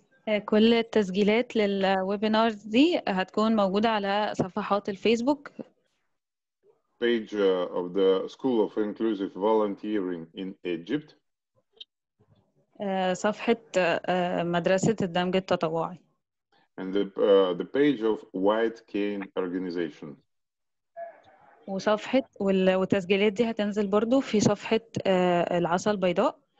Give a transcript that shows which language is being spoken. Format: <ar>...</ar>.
<ar>كل التسجيلات للويبينار دي هتكون موجودة على صفحات الفيسبوك.</ar> <en>Page of the School of Inclusive Volunteering in Egypt.</en> <ar>صفحة مدرسة الدمج التطوعي.</ar> <en>And the page of White Cane Organization.</en> <ar>وصفحة والتسجيلات دي هتنزل برضو في صفحة العصا البيضاء.</ar>